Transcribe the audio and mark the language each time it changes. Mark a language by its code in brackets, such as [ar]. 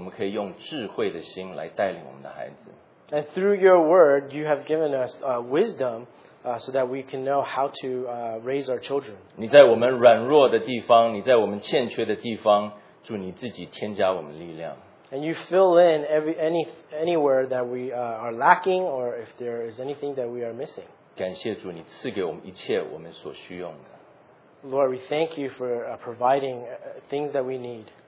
[zh] 你借着你的话语，让我们知道怎么样子，我们可以用智慧的心来带领我们的孩子。 [en] And through your word, you have given us wisdom so that we can know how to raise our children. [zh] 你在我们软弱的地方，你在我们欠缺的地方，主你自己添加我们力量。 [en] And you fill in anywhere that we are lacking or if there is anything that we are missing. [zh] 感谢主，你赐给我们一切我们所需用的。 [en] Lord, we thank you for providing things that we need.